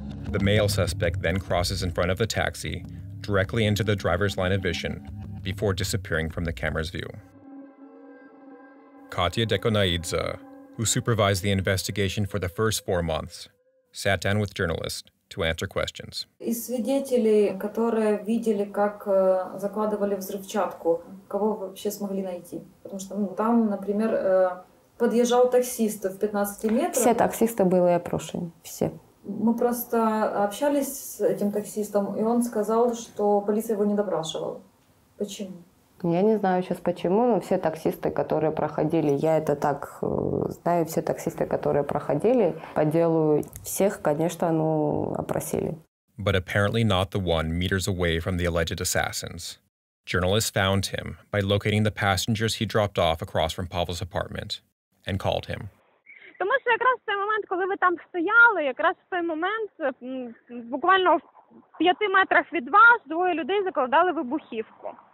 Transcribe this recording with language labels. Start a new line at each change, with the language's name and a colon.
English: The male suspect then crosses in front of the taxi, directly into the driver's line of vision, before disappearing from the camera's view. Katya Dekonaidze, who supervised the investigation for the first 4 months, sat down with journalists to answer questions.
Russian: Из свидетелей, которые видели, как закладывали взрывчатку, кого вообще смогли найти? Потому что там, например, подъезжал таксист в 15 метрах. Все таксисты были опрошены, все. Мы просто общались с этим таксистом, и он сказал, что полиция его не допрашивала. Почему? Я не знаю сейчас почему, но все таксисты, которые проходили, я это так знаю, все таксисты, которые проходили по делу, всех, конечно, ну, опросили.
English: But apparently not the one meters away from the alleged assassins. Journalists found him by locating the passengers he dropped off across from Pavel's apartment and called him.
Ukrainian: Тому що якраз в цей момент, коли ви там стояли, якраз в цей момент, буквально в 5 метрах від вас, двоє людей закладали вибухівку.